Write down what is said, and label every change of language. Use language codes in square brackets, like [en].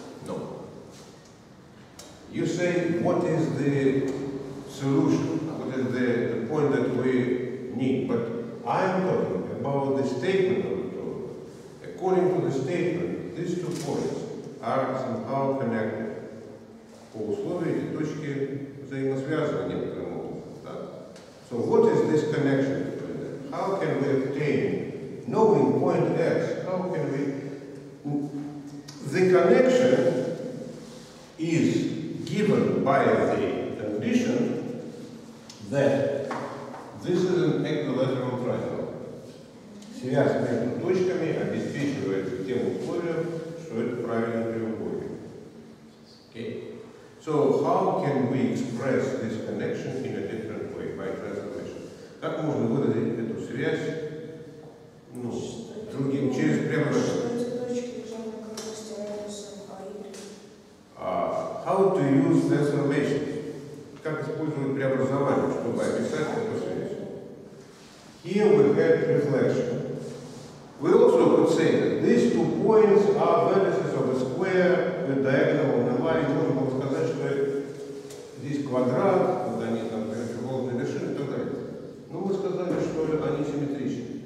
[en] No. You say what is the solution? What is the point that we need, but I am talking about the statement of the problem. According to the statement, these two points are somehow connected. [ru] По условию эти точки взаимосвязаны некоторым образом. [en] So what is this connection? How can we obtain, knowing point X, how can we... The connection is given by the condition that this is an equilateral triangle. [ru] Связь между точками обеспечивает тем условием, что это правильный треугольник. [en] Okay. So how can we express this connection in a different way by translation? [ru] Как можно выразить эту связь, ну, другим через преобразование? [en] How to use transformation? [ru] Как использовать преобразование, чтобы описать эту связь? [en] Here we had reflection. We also could say that these two points are vertices of a square with diagonal on the line. [ru] Можно было сказать, что здесь квадрат, когда они там треугольные вершины и так далее. Но мы сказали, что они симметричны.